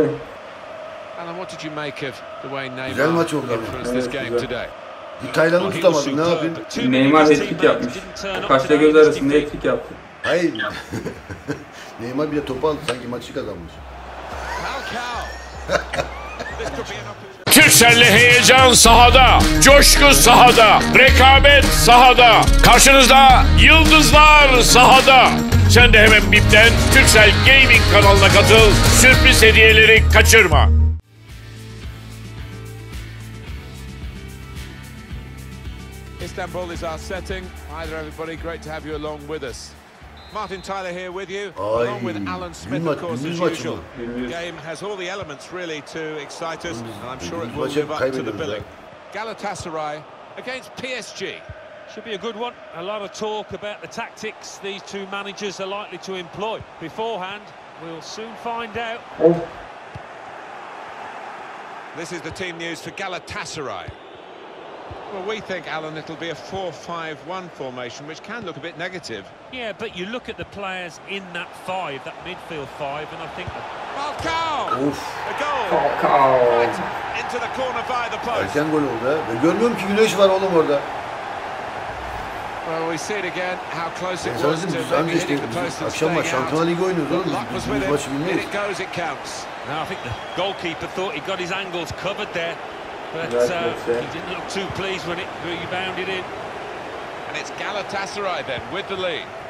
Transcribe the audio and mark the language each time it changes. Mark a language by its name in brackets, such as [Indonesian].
[English] Alan, what did you make of the way Neymar? [Turkish] Güzel maç oldu abi. Evet, güzel. Bir Taylan'ı tutamadım, ne yapayım? Neymar hat-trick yapmış. Kaşla göz arasında hat-trick yaptı. Hayır. Neymar bile topu aldı sanki maçı kazanmış. Türkcelli heyecan sahada, coşku sahada, rekabet sahada. Karşınızda yıldızlar sahada. Sen de hemen BIP'ten Türkcell Gaming kanalına katıl. Sürpriz hediyeleri kaçırma. [English] İstanbul is our setting. Hi there everybody. Great to have you along with us. Martin Tyler here with you, ay, along with Alan Smith, of course, as usual. The game has all the elements, really, to excite us, and I'm sure it will live up to the billing. Galatasaray against PSG. Should be a good one. A lot of talk about the tactics these two managers are likely to employ. Beforehand, we'll soon find out. This is the team news for Galatasaray. Well, we think, Alan, it'll be a 4-5-1 formation, which can look a bit negative. Yeah, but you look at the players in that five, that midfield five, and I think... Falcao! Oof! A goal! Falcao! Right into the corner by the post. [Turkish] Erken gol oldu. Ben görmüyorum ki güneş var oğlum orada. [English] Well, we see it again, how close it was to the post and [Turkish] akşam var, Şampiyonlar Ligi oynuyoruz oğlum. Biz bu maçı bilmiyoruz. [English] It goes, it counts. Now, I think the goalkeeper thought he got his angles covered there. But he didn't look too pleased when it rebounded in. And it's Galatasaray then with the lead.